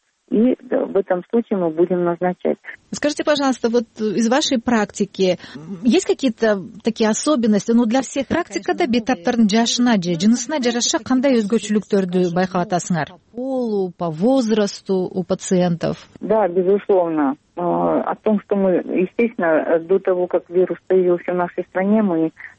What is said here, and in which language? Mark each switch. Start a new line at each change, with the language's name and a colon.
Russian: И в этом случае мы будем назначать. Скажите, пожалуйста, вот из вашей практики есть какие-то такие особенности? Ну, для всех практика
Kyrgyz: да бетаптарын жашына же, жынысына жараша кандай өзгөчөлүктөрдү байкалатасыңар?
Russian: По полу, по возрасту у пациентов? Да, безусловно. О том, что мы, естественно, до того, как вирус появился в нашей стране, мы